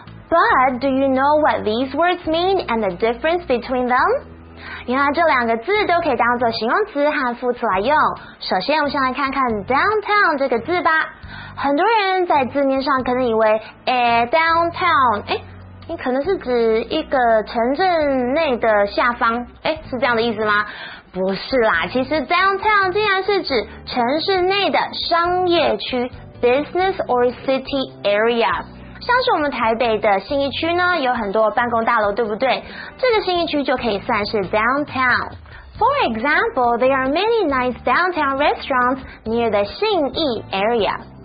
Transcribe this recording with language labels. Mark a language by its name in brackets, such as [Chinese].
[English] But do you know what these words mean and the difference between them? [Chinese] 原来这两个字都可以当作形容词和副词来用。首先，我们先来看看 downtown 这个字吧。很多人在字面上可能以为，哎 ，downtown， 哎。你可能是指一个城镇内的下方，哎，是这样的意思吗？不是啦，其实 downtown 竟然是指城市内的商业区 ， [English] business or city area。 [Chinese] 像是我们台北的信义区呢，有很多办公大楼，对不对？这个信义区就可以算是 downtown。 [English] For example, there are many nice downtown restaurants near the 信义 area.